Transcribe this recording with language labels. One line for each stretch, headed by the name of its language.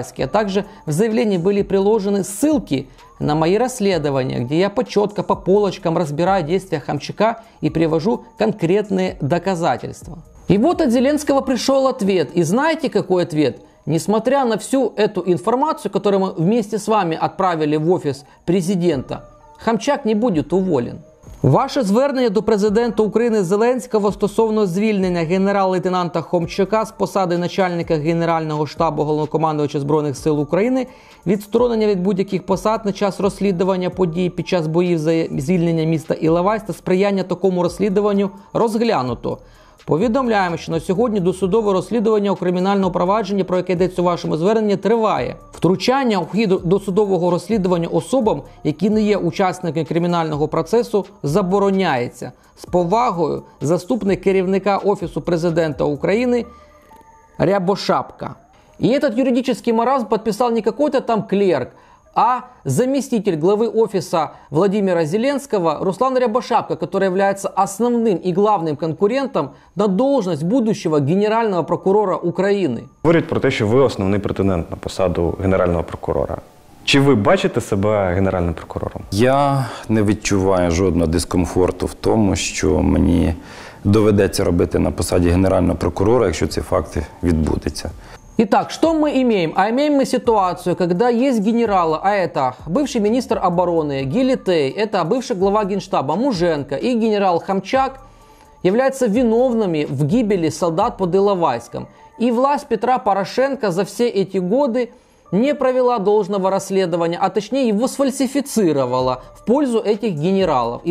Russian: А также в заявлении были приложены ссылки на мои расследования, где я почетко по полочкам разбираю действия Хомчака и привожу конкретные доказательства. И вот от Зеленского пришел ответ. И знаете, какой ответ? Несмотря на всю эту информацию, которую мы вместе с вами отправили в офис президента, Хомчак не будет уволен.
Ukrainian: Ваше звернення до президента України Зеленського стосовно звільнення генерал-лейтенанта Хомчака з посади начальника Генерального штабу Головнокомандувача Збройних сил України, відсторонення від будь-яких посад на час розслідування подій під час боїв за звільнення міста Іловайськ та сприяння такому розслідуванню розглянуто. Повідомляємо, що на сьогодні досудове розслідування у кримінальному провадженні, про яке йдеться у вашому зверненні, триває. Втручання у хід досудового розслідування особам, які не є учасниками кримінального процесу, забороняється. З повагою, заступник керівника Офісу президента України Рябошапка. І цей юридичний маразм підписав не якийсь там клерк, а
Russian: заместитель главы офиса Владимира Зеленского Руслан Рябошапка, который является основным и главным конкурентом на должность будущего генерального прокурора Украины. Говорить про то, что вы основной претендент на посаду генерального прокурора.
Ukrainian: Чи ви бачите себе генеральним прокурором? Я не відчуваю жодного дискомфорту в тому, що мені доведеться робити на посаді генерального прокурора, якщо ці факти відбудуться.
Russian: Итак, что мы имеем? А имеем мы ситуацию, когда есть генералы, а это бывший министр обороны Гилитей, это бывший глава генштаба Муженко и генерал Хомчак являются виновными в гибели солдат под Иловайском. И власть Петра Порошенко за все эти годы не провела должного расследования, а точнее его сфальсифицировала в пользу этих генералов.